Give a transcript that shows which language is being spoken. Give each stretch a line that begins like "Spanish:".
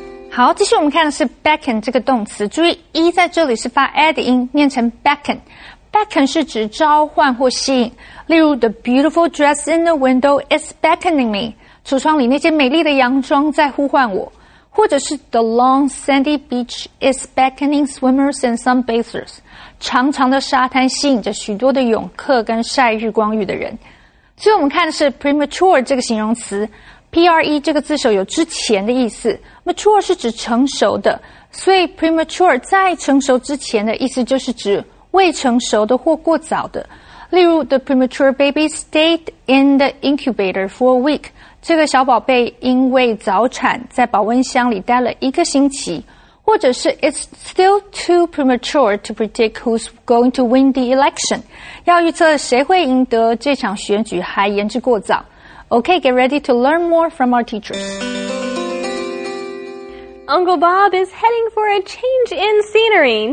Chinese: 好，继续我们看的是 beckon 这个动词。注意 ，e 在这里是发 a 的音，念成 beckon。
English: beckon
Chinese: 是指召唤或吸引。例如
English: ，the beautiful dress in the window is beckoning me。
Chinese: 橱窗里那件美丽的洋装在呼唤我。或者是
English: the long sandy beach is beckoning swimmers and sunbathers。
Chinese: 长长的沙滩吸引着许多的泳客跟晒日光浴的人。最后我们看的是 premature 这个形容词。P-R-E 这个字首有之前的意思 ，mature 是指成熟的，所以 premature 在成熟之前的意思就是指未成熟的或过早的。例如
English: ，the premature baby stayed in the incubator for a week。
Chinese: 这个小宝贝因为早产，在保温箱里待了一个星期。或者是
English: ，it's still too premature to predict who's going to win the election。
Chinese: 要预测谁会赢得这场选举还言之过早。
English: Okay, get ready to learn more from our teachers. Uncle Bob is heading for a change in scenery.